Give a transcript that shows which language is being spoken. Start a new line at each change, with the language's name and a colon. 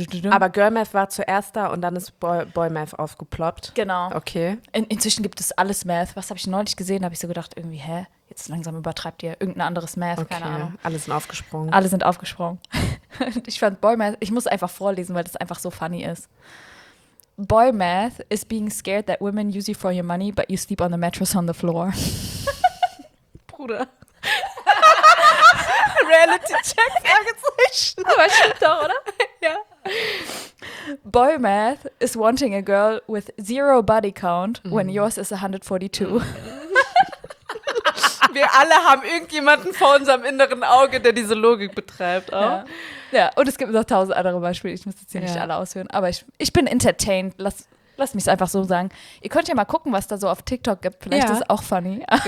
German: Aber Girl Math war zuerst da und dann ist Boy Math aufgeploppt. Genau. Okay. Inzwischen gibt es alles Math. Was habe ich neulich gesehen? Da habe ich so gedacht, irgendwie, hä? Jetzt langsam übertreibt ihr irgendein anderes Math, okay. Keine Ahnung. Alle sind aufgesprungen. Alle sind aufgesprungen. Ich fand Boy Math, ich muss einfach vorlesen, weil das einfach so funny ist.
English: Boy Math is being scared that women use you for your money, but you sleep on the mattress on the floor.
German: Bruder. Reality Check, Fragezeichen. Aber stimmt doch, oder? Ja.
English: Boy Math is wanting a girl with zero body count when yours is 142.
German: Wir alle haben irgendjemanden vor unserem inneren Auge, der diese Logik betreibt. Auch. Ja. Ja, und es gibt noch tausend andere Beispiele. Ich muss jetzt hier nicht alle aushören. Aber ich bin entertained. Lass mich es einfach so sagen. Ihr könnt ja mal gucken, was da so auf TikTok gibt. Vielleicht ist es auch funny.